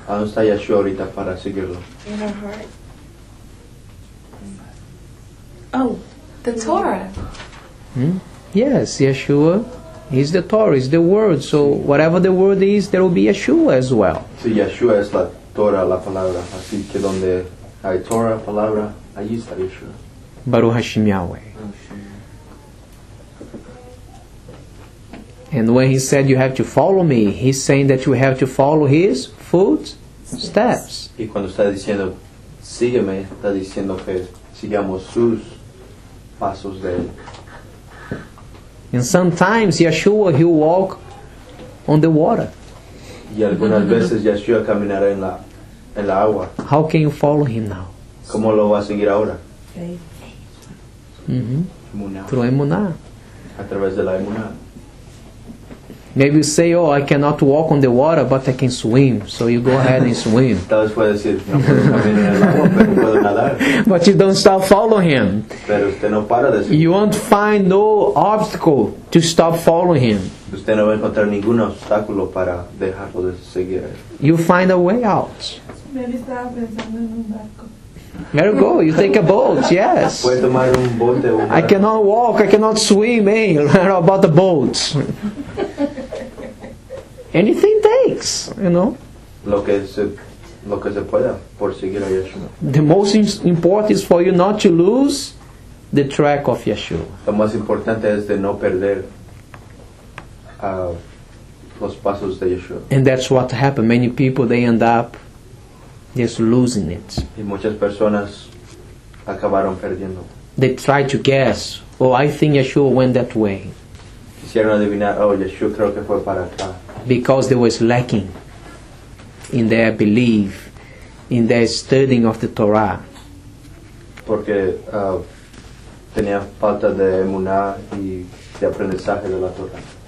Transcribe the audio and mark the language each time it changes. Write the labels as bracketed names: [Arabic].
[Spanish] ¿Dónde está Yeshua ahorita para seguirlo? [English] In our heart. Oh, the Torah. Yes, Yeshua. He's the Torah, he's the Word. So whatever the Word is, there will be Yeshua as well. [Spanish] Sí, Yeshua es la Torah, la Palabra. Así que donde hay Torah, Palabra, allí está Yeshua. [Hebrew] Baruch Hashem Yahweh. [English] And when he said you have to follow me, he's saying that you have to follow his footsteps. [Spanish] Y cuando está diciendo, sígueme, está diciendo que sigamos sus pasos. [Portuguese] passos dele. [English] And sometimes Yeshua, he'll walk on the water. [Portuguese] E algumas vezes Yeshua caminará em la água. [English] How can you follow him now? [Spanish] Como lo va a seguir ahora? [English] Through emuná. [Portuguese] Através de la emuná. [English] Maybe you say, oh, I cannot walk on the water, but I can swim. So you go ahead and swim. But you don't stop following him. [Spanish] Pero usted no para de seguir. [English] You won't find no obstacle to stop following him. [Spanish] Usted no va a encontrar ningún obstáculo para dejarlo de seguir. [English] You find a way out. Maybe [Spanish] estaba pensando en un barco. [English] There you go, you take a boat, yes. I cannot walk, I cannot swim, eh? How about the boat? Anything takes, you know. [Spanish] Lo que se pueda por seguir a Yeshua. [English] The most important is for you not to lose the track of Yeshua. [Spanish] Lo más importante es de no perder los pasos de Yeshua. [English] And that's what happened. Many people, they end up just losing it. [Spanish] Y muchas personas acabaron perdiendo. [English] They try to guess. Oh, I think Yeshua went that way. [Spanish] Quisieron adivinar, oh, Yeshua creo que fue para acá. [English] Because they were lacking in their belief, in their studying of the Torah. [Spanish] Porque tenía falta de emuná y de aprendizaje de la Torah.